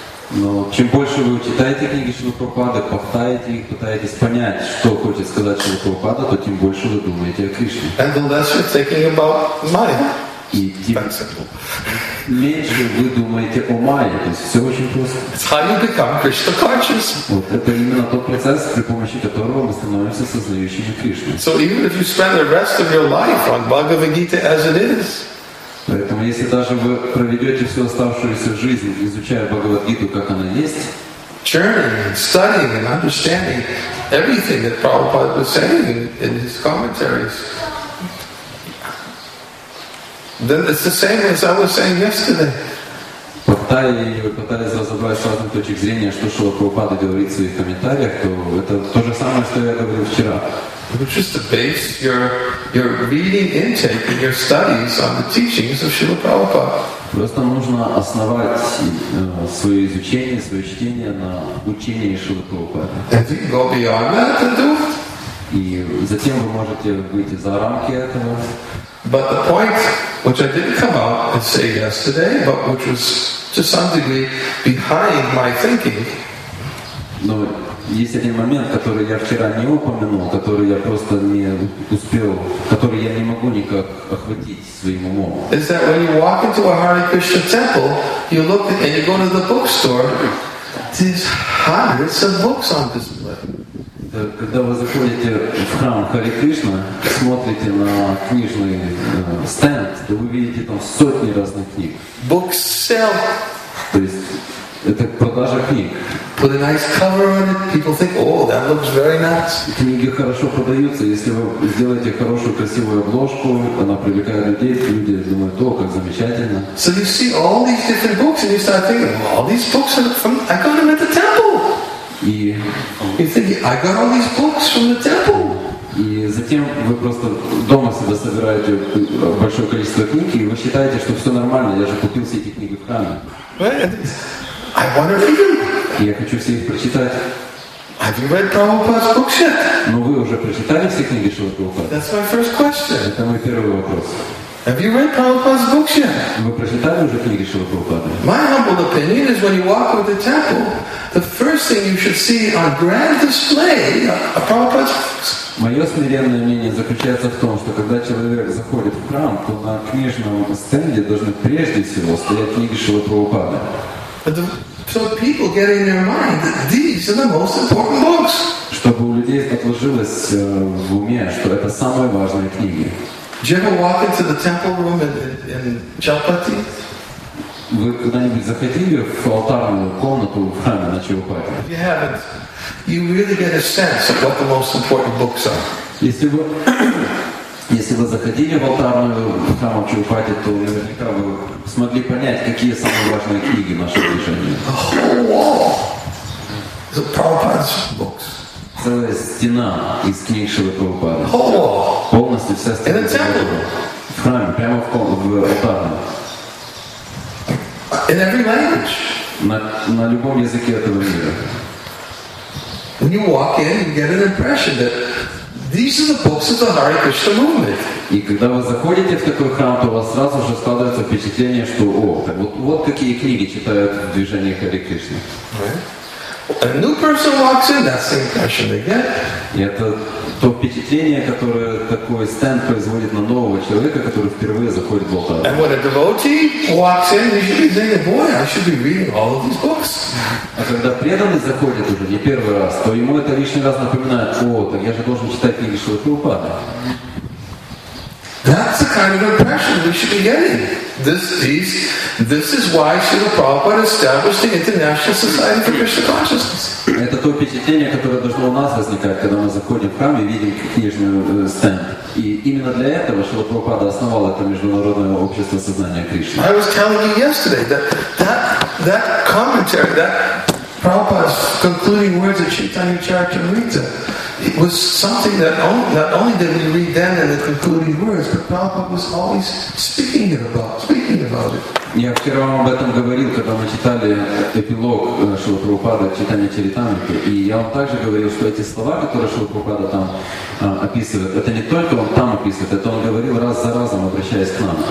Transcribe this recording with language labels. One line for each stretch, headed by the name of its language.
Russian: Но чем больше вы читаете книги Шрилы Прабхупады, повторяете их, пытаетесь понять, что хочет сказать Шрила Прабхупада, то тем больше вы думаете о Кришне.
English: And the less you're thinking about Майя.
Russian: И тем меньше вы думаете о Майе. То есть все очень просто.
English: It's how you become Krishna conscious.
Russian: Вот это именно тот процесс, при помощи которого мы становимся сознающими Кришну.
English: So even if you spend the rest of your life on Bhagavad Gita as it is.
Russian: Поэтому, если даже вы проведете всю оставшуюся жизнь, изучая Бхагавад-гиту, как она есть,
English: churning, studying and understanding everything that Prabhupada was saying in his commentaries, then it's the same as I was saying yesterday.
Russian: Пытаясь разобрать с разных точек зрения, что Шрила Прабхупада говорит в своих комментариях, то это то же самое, что я говорил вчера.
English: Which is to base your reading intake and your studies on the teachings of Srila Prabhupada.
Russian: Просто нужно основать свое изучение, свое чтение на учении Шрилы Прабхупады.
English: And you can go beyond that and do it.
Russian: И затем вы можете выйти за рамки этого.
English: But the point which I didn't come out and say yesterday, but which was to some degree behind my thinking.
Russian: Но есть один момент, который я вчера не упомянул, который я просто не успел, который я не могу никак охватить своим умом.
English: Is that when you walk into a Hare Krishna temple, you look at, and you go to the bookstore, there's hundreds of books on display.
Russian: Когда вы заходите в храм Харе Кришна, смотрите на книжный стенд, то вы видите там сотни разных книг.
English: Books sell.
Russian: То есть это продажа книг.
English: Put a nice cover on it. People think, oh, that looks very nice.
Russian: Книги хорошо продаются, если вы сделаете хорошую красивую обложку, она привлекает людей, люди думают, о, как замечательно.
English: So you see all these different books and you start thinking, all these books are from, I got them at the temple. You think, I got all these books from the temple.
Russian: И затем вы просто дома себе собираете большое количество книг, и вы считаете, что все нормально, я же купил все эти книги в храме.
English: I want to read them.
Russian: Я хочу все их прочитать.
English: Have you read Prabhupada's books yet?
Russian: Но вы уже прочитали все книги Шрилы Прабхупады?
English: That's my first question.
Russian: Это мой первый вопрос.
English: Have you read Prabhupada's books yet?
Russian: Вы прочитали уже книги Шрилы Прабхупады?
English: My humble opinion is when you walk with the temple, the first thing you should see on grand display are Prabhupada's books.
Russian: Мое смиренное мнение заключается в том, что когда человек заходит в храм, то на книжном стенде должны прежде всего стоять книги Шрилы Прабхупады.
English: So people get in their mind that these are the most important books.
Russian: Чтобы у людей это отложилось в уме, что это самые важные книги.
English: Did you ever walk into the temple room in Chaupati?
Russian: Вы когда-нибудь заходили в алтарную комнату в храме на Чаупати?
English: If you haven't, you really get a sense of what the most important books are.
Russian: Если вы заходили в алтарную храму Чаупати, то наверняка вы смогли понять, какие самые важные книги нашего движения.
English: The whole wall is Prabhupada's books.
Russian: Целая стена из книг Шрилы Прабхупады. Oh, полностью вся стена.
English: In a temple.
Russian: В храме, прямо в алтарную.
English: In every language.
Russian: На любом языке этого мира.
English: When you walk in, you get an impression that these are the books of the Hare Krishna movement.
Russian: И когда вы заходите в такой храм, то у вас сразу же складывается впечатление, что о, вот какие книги читают в движении Харе Кришны.
English: Right. A new person walks in, that's the impression they get.
Russian: И это то впечатление, которое такой стенд производит на нового человека, который впервые заходит в алтарь.
English: And when a devotee walks in, he should be thinking, boy, I should be reading all of these books.
Russian: А когда преданный заходит уже не первый раз, то ему это лишний раз напоминает, о, так я же должен читать книги Шрилы Прабхупады.
English: That's the kind of impression we should be getting. This is why Srila Prabhupada established the International Society for Krishna Consciousness.
Russian: Это то впечатление, которое должно у нас возникать, когда мы заходим в храм и видим книжный стенд. И именно для этого Шрила Прабхупада основал это Международное общество сознания Кришны.
English: I was telling you yesterday that commentary, that Prabhupada's concluding words of Chaitanya Charitamrita, it was something that not only did we read then in the concluding words, but Prabhupada was always speaking about it.
Russian: Я вчера вам об этом говорил, когда мы читали эпилог Шрилы Прабхупады «Чайтанья Чаритамриты». И я вам также говорил, что эти слова, которые Шрила Прабхупада там описывает, это не только он там описывает, это он говорил раз за разом, обращаясь к нам.